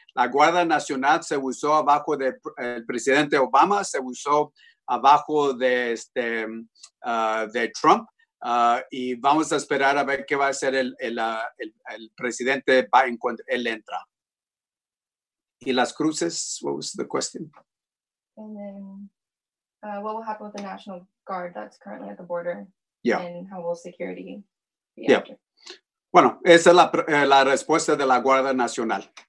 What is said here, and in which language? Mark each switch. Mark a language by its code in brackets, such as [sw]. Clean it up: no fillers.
[es] La Guardia Nacional se usó abajo del el presidente Obama, se usó abajo de Trump. Y vamos a esperar a ver qué va a hacer el presidente Biden cuando él entra. ¿Y las cruces? [en] What was the question? And then, what will happen with the National Guard that's currently at the border? Yeah. And how will security be after? Yeah. [es] Bueno, esa es la respuesta de la Guardia Nacional.